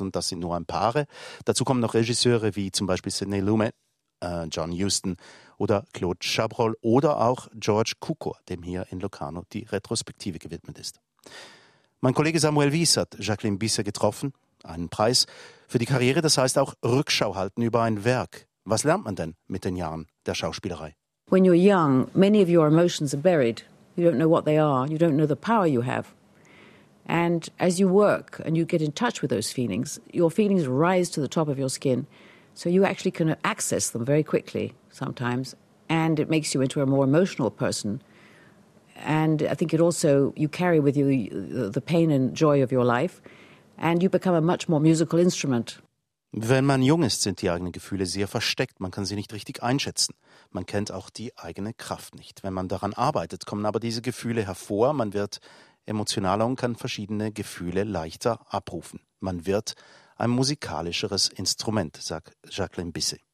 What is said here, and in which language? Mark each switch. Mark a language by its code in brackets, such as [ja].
[de] Und das sind nur ein paar. Dazu kommen noch Regisseure wie zum Beispiel Sidney Lumet, John Huston oder Claude Chabrol oder auch George Cukor, dem hier in Locarno die Retrospektive gewidmet ist. Mein Kollege Samuel Wies hat Jacqueline Bisset getroffen, einen Preis für die Karriere, das heißt auch Rückschau halten über ein Werk. Was lernt man denn mit den Jahren der Schauspielerei? [en] When you're young, many of your emotions are buried. You don't know what they are, you don't know the power you have. And as you work and you get in touch with those feelings, your feelings rise to the top of your skin, so you actually can access them very quickly sometimes, and it makes you into a more emotional person. And I think it also, you carry with you the pain and joy of your life and you become a much more musical instrument. [de] Wenn man jung ist, sind die eigenen Gefühle sehr versteckt. Man kann sie nicht richtig einschätzen. Man kennt auch die eigene Kraft nicht. Wenn man daran arbeitet, kommen aber diese Gefühle hervor. Man wird emotionaler und kann verschiedene Gefühle leichter abrufen. Man wird ein musikalischeres Instrument, sagt Jacqueline Bisset.